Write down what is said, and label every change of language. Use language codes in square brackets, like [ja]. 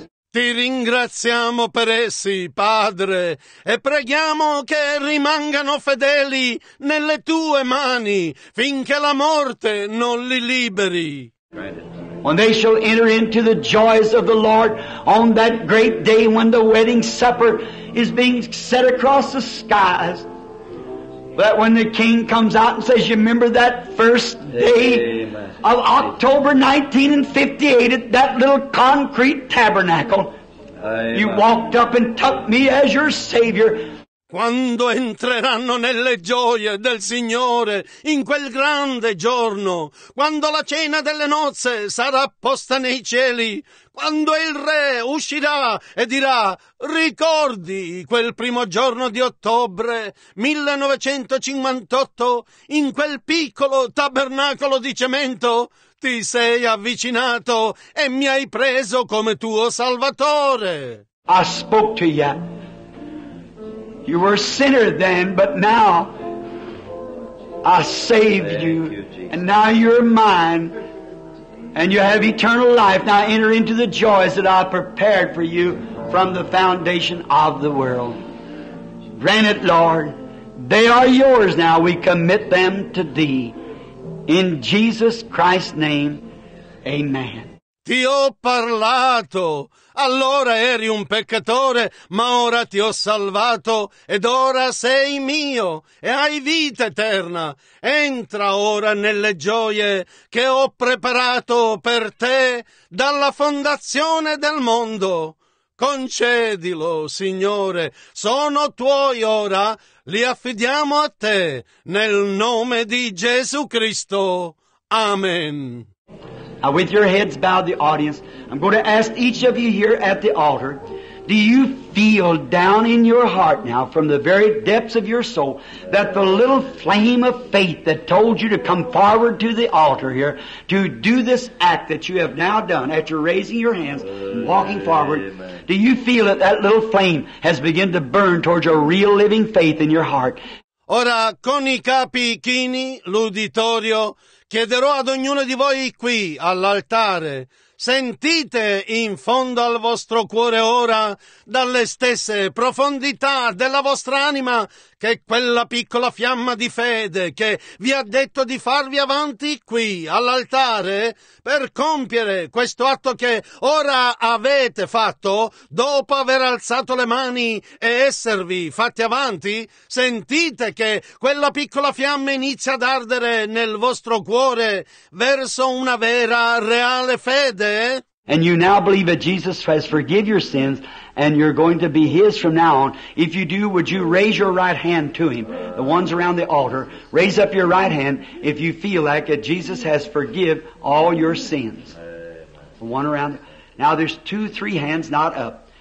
[it] Ti ringraziamo per essi, Padre, e preghiamo che rimangano fedeli nelle tue mani finché la morte non li liberi. [en] When they shall enter into the joys of the Lord on that great day when the wedding supper is being set across the skies, that when the king comes out and says, you remember that first day of October 1958 at that little concrete tabernacle? You walked up and took me as your Savior. [it] Quando entreranno nelle gioie del Signore in quel grande giorno, quando la cena delle nozze sarà posta nei cieli, quando il re uscirà e dirà, ricordi quel primo giorno di ottobre 1958 in quel piccolo tabernacolo di cemento? Ti sei avvicinato e mi hai preso come tuo Salvatore. [en] I spoke to you. You were a sinner then, but now I saved you, and now you're mine, and you have eternal life. Now enter into the joys that I prepared for you from the foundation of the world. Grant it, Lord. They are yours now. We commit them to thee. In Jesus Christ's name, amen. [it] Ti ho parlato. Allora eri un peccatore, ma ora ti ho salvato ed ora sei mio e hai vita eterna. Entra ora nelle gioie che ho preparato per te dalla fondazione del mondo. Concedilo, Signore, sono tuoi ora, li affidiamo a te, nel nome di Gesù Cristo. Amen. [en] Now with your heads bowed, the audience, I'm going to ask each of you here at the altar, do you feel down in your heart now from the very depths of your soul that the little flame of faith that told you to come forward to the altar here to do this act that you have now done after raising your hands and walking forward, do you feel that that little flame has begun to burn towards a real living faith in your heart? [it] Ora con i capi chini, l'uditorio, chiederò ad ognuno di voi qui all'altare, sentite in fondo al vostro cuore ora, dalle stesse profondità della vostra anima, che quella piccola fiamma di fede che vi ha detto di farvi avanti qui all'altare per compiere questo atto che ora avete fatto dopo aver alzato le mani e esservi fatti avanti, sentite che quella piccola fiamma inizia ad ardere nel vostro cuore verso una vera, reale fede. [en] And you now believe that Jesus has forgiven your sins and you're going to be His from now on. If you do, would you raise your right hand to Him? The ones around the altar, raise up your right hand if you feel like that Jesus has forgiven all your sins. The one around. Now there's two, three hands not up.